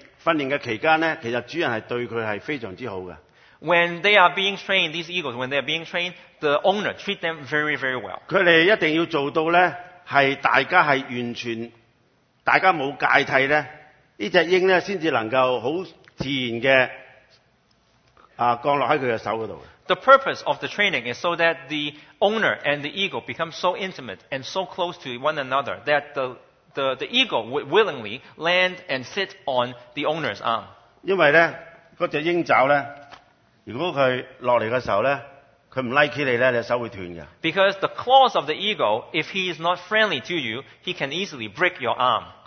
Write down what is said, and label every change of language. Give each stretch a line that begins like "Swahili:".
Chinese: 这些猎鹰呢,他们被训练的期间呢,其实主人是对他们非常之好的。
English: When they are being trained, these eagles, when they are being trained, the owner treat them very, very well.
Chinese: 他们一定要做到呢,是大家是完全 大家没有戒替呢,这只鹰呢,才能够很自然地降落在他的手上。
English: The purpose of the training is so that the owner and the eagle become so intimate and so close to one another that the eagle would willingly land and sit on the owner's arm.
Chinese: 因为呢,那只鹰爪呢,如果它落来的时候呢, 它不喜欢你呢,你的手会断的。
English: Because the claws of the eagle, if he is not friendly to you, he can easily break your arm.